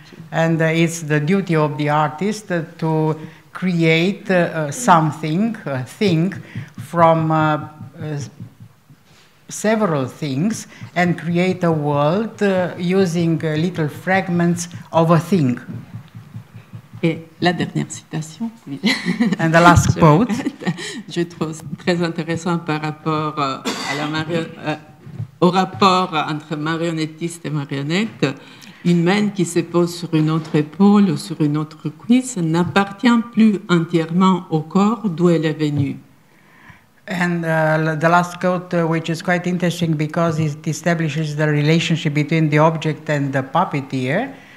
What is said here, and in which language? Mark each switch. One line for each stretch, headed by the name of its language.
English: And it's the duty of the artist to create something, a thing, from several things and create a world using little fragments of a thing.
French: Et la dernière citation, oui.
English: And the last quote.
French: Je trouve très intéressant par rapport à la Marie. Au rapport entre marionnettiste et marionnette, une main qui se pose sur une autre épaule ou sur une autre cuisse n'appartient plus entièrement au corps d'où elle est venue.
English: And the last quote, which is quite interesting because it establishes the relationship between the object and the puppeteer.